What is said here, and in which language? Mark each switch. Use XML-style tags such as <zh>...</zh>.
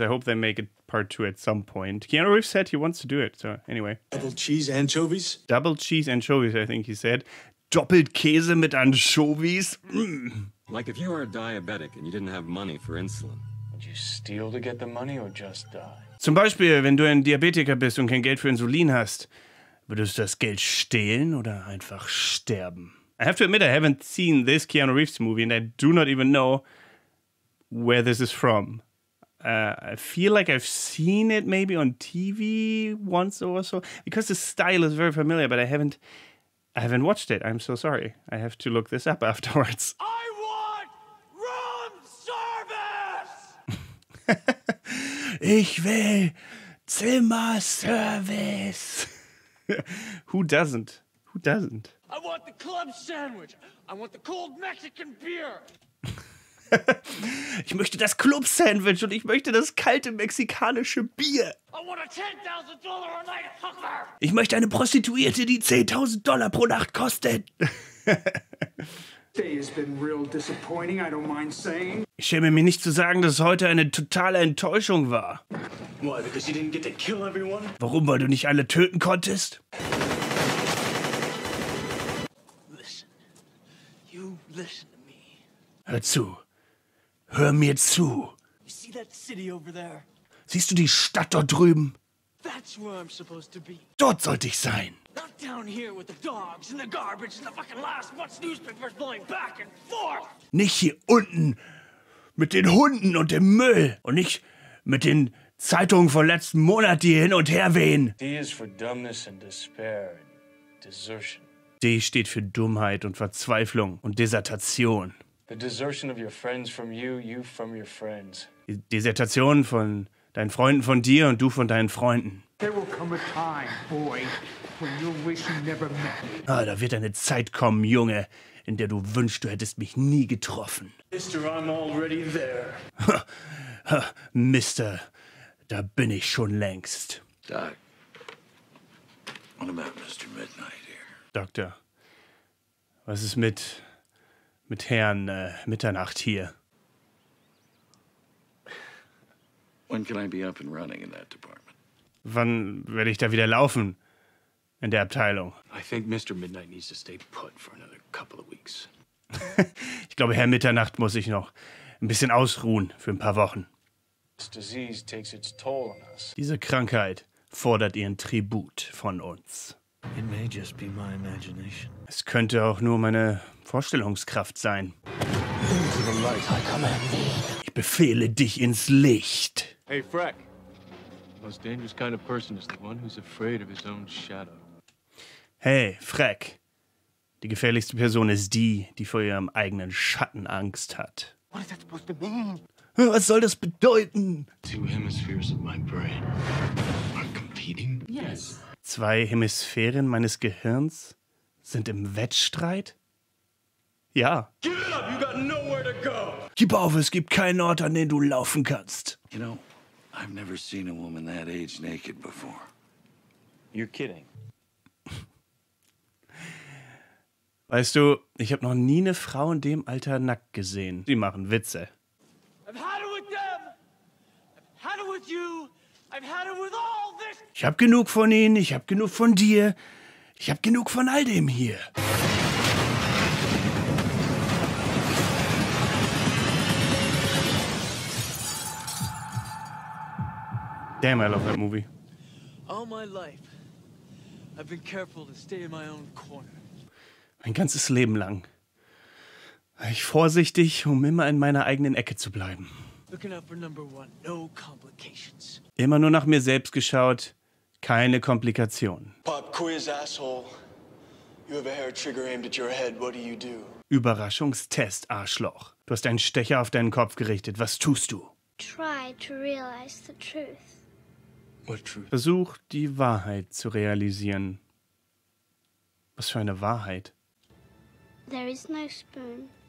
<en>I hope they make it part two at some point. Keanu Reeves said he wants to do it, so anyway. Double cheese anchovies? Double cheese anchovies, I think he said.</en> <de>Doppelt Käse mit Anchovies?</de> <en>Mm. Like if you were a diabetic and you didn't have money for insulin. Would you steal to get the money or just die?</en> <de>Zum Beispiel, wenn du ein Diabetiker bist und kein Geld für Insulin hast, würdest du das Geld stehlen oder einfach sterben?</de> <en>I have to admit, I haven't seen this Keanu Reeves movie and I do not even know where this is from. I feel like I've seen it maybe on TV once or so, because the style is very familiar, but I haven't watched it. I'm so sorry. I have to look this up afterwards. I want room service!</en> <de>Ich will Zimmer Service!</de> <en>Who doesn't? Who doesn't? I want the club sandwich! I want the cold Mexican beer!</en> <de>Ich möchte das Club-Sandwich und ich möchte das kalte mexikanische Bier.</de> <en>I want a $10,000 a night hooker.</en> <de>Ich möchte eine Prostituierte, die $10,000 pro Nacht kostet.</de> <en>Day has been real disappointing, I don't mind saying.</en> <de>Ich schäme mich nicht zu sagen, dass heute eine totale Enttäuschung war.</de> <en>Why, because you didn't get to kill everyone?</en> <de>Warum, weil du nicht alle töten konntest?</de> <en>Listen. You listen to me.</en> <de>Hör zu. Hör mir zu.</de> <en>You see that city over there?</en> <de>Siehst du die Stadt dort drüben?</de> <en>That's where I'm supposed to be.</en> <de>Dort sollte ich sein.</de> <en>Not down here with the dogs and the garbage and the fucking last month's newspapers blowing back and forth.</en> <de>Nicht hier unten mit den Hunden und dem Müll und nicht mit den Zeitungen von letzten Monat, die hin und her wehen.</de> <en>D is for dumbness and despair and desertion.</en> <de>D steht für Dummheit und Verzweiflung und Desertation.</de> <en>The desertion of your friends from you, you from your friends.</en> <de>Die Desertation von deinen Freunden von dir und du von deinen Freunden.</de> <en>There will come a time, boy, when you'll wish you never met me.</en> <de>Ah, da wird eine Zeit kommen, Junge, in der du wünschst, du hättest mich nie getroffen.</de> <en>Mister, I'm already there.</en> <de>Mister, da bin ich schon längst.</de> <en>Doc, what about Mr. Midnight here?</en> <de>Doctor, was ist mit... mit Herrn Mitternacht hier.</de> <en>When can I be up and running in that department?</en> <de>Wann werde ich da wieder laufen in der Abteilung.</de> <en>I think Mr. Midnight needs to stay put for another couple of weeks.</en> <de>Ich glaube, Herr Mitternacht muss sich noch ein bisschen ausruhen für ein paar Wochen.</de> <en>This disease takes its toll on us.</en> <de>Diese Krankheit fordert ihren Tribut von uns.</de> <en>It may just be my imagination.</en> <de>Es könnte auch nur meine Vorstellungskraft sein.</de> <en>Into the light, I command thee.</en> <de>Ich befehle dich ins Licht.</de> <en>Hey, Freck. The most dangerous kind of person is the one who's afraid of his own shadow. Hey, Freck.</en> <de>Die gefährlichste Person ist die, die vor ihrem eigenen Schatten Angst hat.</de> <en>What is that supposed to mean?</en> <de>Was soll das bedeuten?</de> <en>Two hemispheres of my brain are competing? Yes.</en> <de>Zwei Hemisphären meines Gehirns sind im Wettstreit? Ja.</de> <en>Give it up, you got nowhere to go.</en> <de>Gib auf, es gibt keinen Ort, an den du laufen kannst.</de> <en>You know, I've never seen a woman that age naked before. You're kidding.</en> <de>Weißt du, ich habe noch nie eine Frau in dem Alter nackt gesehen. Sie machen Witze.</de> <en>I've had it with them. I've had it with you. I've had it with all this.</en> <de>Ich habe genug von ihnen, ich habe genug von dir. Ich habe genug von all dem hier.</de> <en>Damn, I love that movie. All my life, I've been careful to stay in my own corner.</en> <de>Mein ganzes Leben lang war ich vorsichtig, um immer in meiner eigenen Ecke zu bleiben.</de> <en>Looking out for number one, no complications.</en> <de>Immer nur nach mir selbst geschaut, keine Komplikationen.</de> <en>Pop quiz, asshole. You have a hair trigger aimed at your head, what do you do?</en> <de>Überraschungstest, Arschloch. Du hast einen Stecher auf deinen Kopf gerichtet, was tust du?</de> <en>Try to realize the truth. What truth?</en> <de>Versuch, die Wahrheit zu realisieren. Was für eine Wahrheit.</de> <en>There is no spoon.</en>